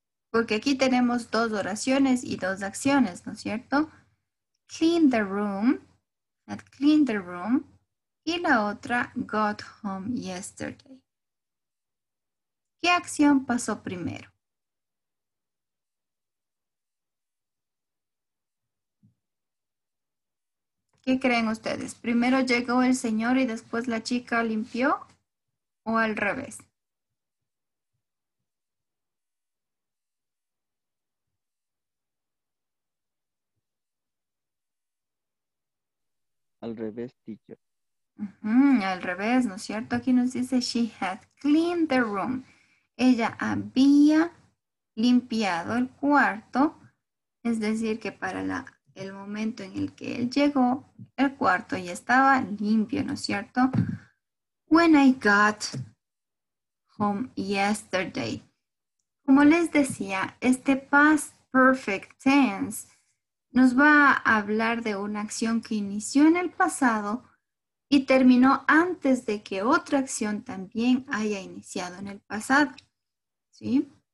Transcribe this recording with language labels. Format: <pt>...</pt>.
<es>Porque aquí tenemos dos oraciones y dos acciones, ¿no es cierto?</es> <en>Clean the room, had cleaned the room,</en> <es>y la otra,</es> <en>got home yesterday.</en> <es>¿Qué acción pasó primero? ¿Qué creen ustedes? ¿Primero llegó el señor y después la chica limpió? ¿O al revés? Al revés, teacher. Al revés, ¿no es cierto? Aquí nos dice,</es> <en>she had cleaned the room.</en> <es>Ella había limpiado el cuarto. Es decir, que para el momento en el que él llegó, el cuarto ya estaba limpio, ¿no es cierto?</es> <en>When I got home yesterday.</en> <es>Como les decía, este past perfect tense nos va a hablar de una acción que inició en el pasado y terminó antes de que otra acción también haya iniciado en el pasado. ¿Sí?</es>